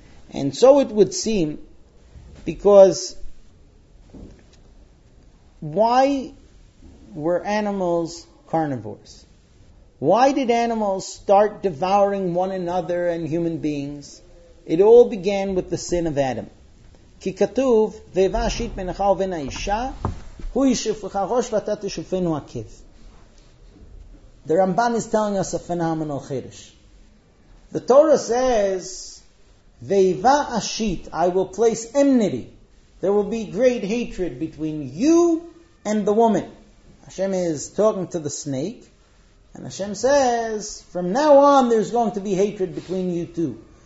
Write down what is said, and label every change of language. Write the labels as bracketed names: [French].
[English] And so it would seem, because why were animals carnivores? Why did animals start devouring one another and human beings? It all began with the sin of Adam. [Hebrew] כי כתוב, ואיבה השית בינך ובין האישה, הוא ישפך הראש ואתה תשופנו עקב. [English] The Ramban is telling us a phenomenal chiddush. The Torah says, [Hebrew] ואיבה השית, [English] I will place enmity. There will be great hatred between you and the woman. Hashem is talking to the snake, and Hashem says, from now on there's going to be hatred between you two.